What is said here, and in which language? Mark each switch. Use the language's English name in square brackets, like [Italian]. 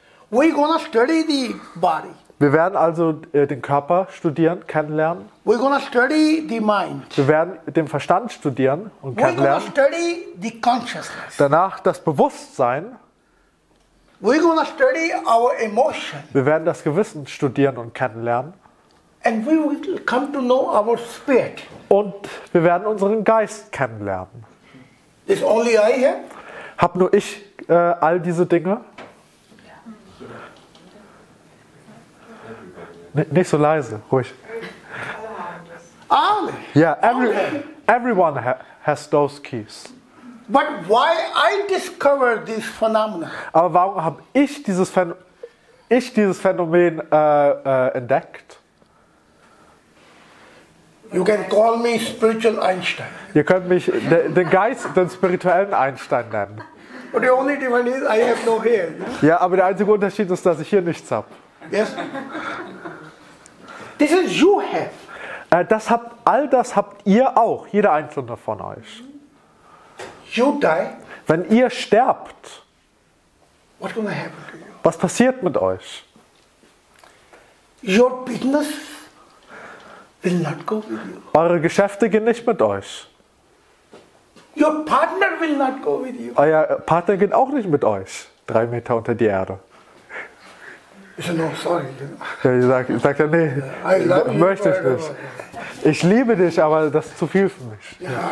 [English] We're gonna study the body. [German] Wir werden also den Körper studieren, kennenlernen. [English] We're gonna study the mind. [German] Wir werden den Verstand studieren und kennenlernen. [English] We're gonna study the consciousness. [German] Danach das Bewusstsein. [English] We're gonna study our emotion. [German] Wir werden das Gewissen studieren und kennenlernen. [English] And we will come to know our spirit. [German] Und wir werden unseren Geist kennenlernen. [English] Is only I here? [German] Hab nur ich all diese Dinge? Nicht so leise, ruhig. Alle. [English] Yeah, everyone has those keys. But why I discovered this phenomenon? [German] Aber warum habe ich dieses Phänomen entdeckt? [English] You can call me spiritual Einstein. [German] Ihr könnt mich den spirituellen Einstein nennen. [English] But the only difference is I have no hair. [German] Ja, aber der einzige Unterschied ist, dass ich hier nichts hab. [English] Yes. This is you have. [German] All das habt ihr auch, jeder einzelne von euch. [English] You die. [German] Wenn ihr sterbt, [English] what's gonna happen to you? [German] Was passiert mit euch? [English] Your business will not go with you. [German] Eure Geschäfte gehen nicht mit euch. [English] Your partner will not go with you. [German] Euer Partner geht auch nicht mit euch, 3 Meter unter die Erde. Ich sage, [English] no, sorry. [German] Ja, ich sag ja, nee, möchte ich nicht. Ich liebe dich, aber das ist zu viel für mich. Ja.